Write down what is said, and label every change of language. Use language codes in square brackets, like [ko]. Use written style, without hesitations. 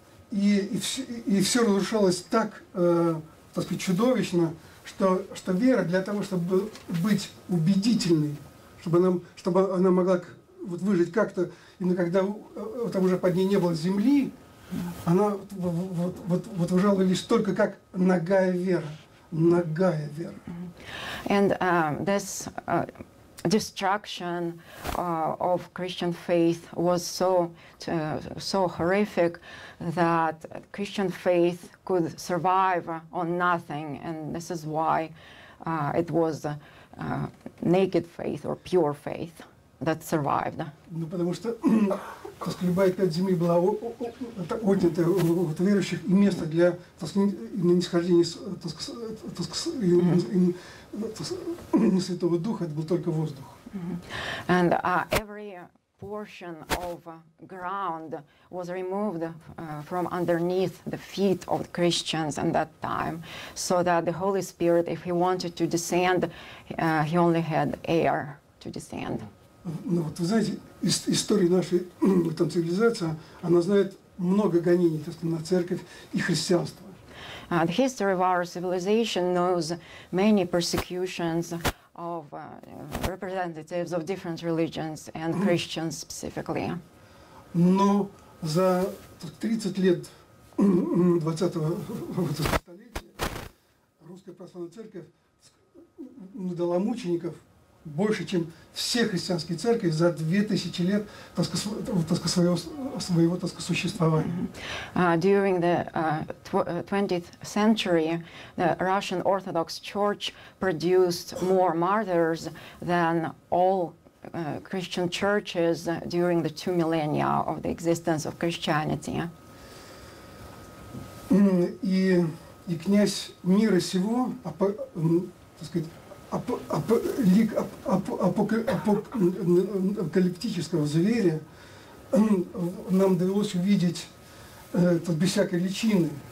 [ru] И все разрушалось так, так сказать, чудовищно, что вера для того, чтобы быть убедительной, чтобы она могла вот выжить как-то, именно когда там уже под ней не было земли, она вот выжала лишь только как нагая вера. Нагая вера. [en] And this destruction of Christian faith was so horrific that Christian faith could survive on nothing, and this is why it was naked faith or pure faith that survived. [ru] Ну потому что любая пять земли была отнята от верующих, и место для нисхождения Святого Духа это был только воздух. [en] And every portion of ground was removed from underneath the feet of the Christians in that time, so that the Holy Spirit, if he wanted to descend, he only had air to descend. [ru] Ну вот вы знаете, история нашей там цивилизации, она знает много гонений, так сказать, на церковь и христианство. [en] The history of our civilization knows many persecutions of representatives of different religions and Christians specifically. [ru] Но за 30 лет 20-го столетия Русская Православная Церковь дала мучеников больше, чем все христианские церкви за 2000 лет, своего существования. [en] During the 20th century, the Russian Orthodox Church produced more martyrs than all Christian churches during the two millennia of the existence of Christianity. [ru] И князь мира сего, апокалиптического зверя нам довелось увидеть без всякой личины.